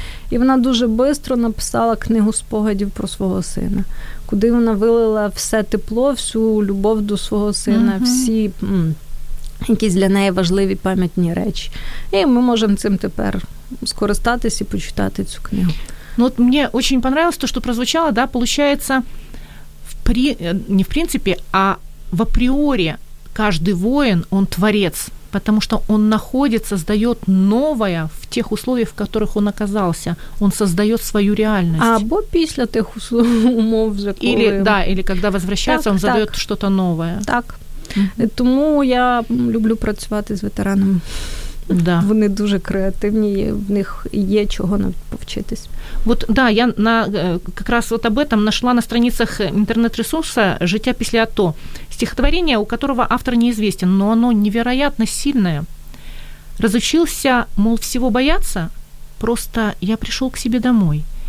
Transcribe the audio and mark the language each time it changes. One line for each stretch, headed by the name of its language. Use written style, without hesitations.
Ukrainian: І вона дуже швидко написала книгу спогадів про свого сина, куди вона вилила все тепло, всю любов до свого сина, угу, всі якісь для неї важливі пам'ятні речі. І ми можемо цим тепер скористатись і почитати цю книгу. Ну от мені дуже понравилось то, що прозвучало,
Russian: да, получается,
Ukrainian: не в принципі, а в апріорі
Russian: каждый воин, он творец, потому что он находит, создает новое в тех условиях, в которых он оказался. Он создает свою реальность.
Ukrainian: Або після тих умов, за коли...
Russian: Или, да, или когда возвращается, так, он задает что-то новое. Так. Mm-hmm.
Ukrainian: Тому я люблю працювати з ветеранами.
Russian: Да.
Ukrainian: Вони дуже креативні, в них є чого повчитись.
Russian: Вот, да, я на как раз вот об этом нашла на страницах интернет-ресурса «Життя після АТО». Стихотворение, у которого автор неизвестен, но оно невероятно сильное. «Разучился, мол, всего бояться? Просто я пришел к себе домой.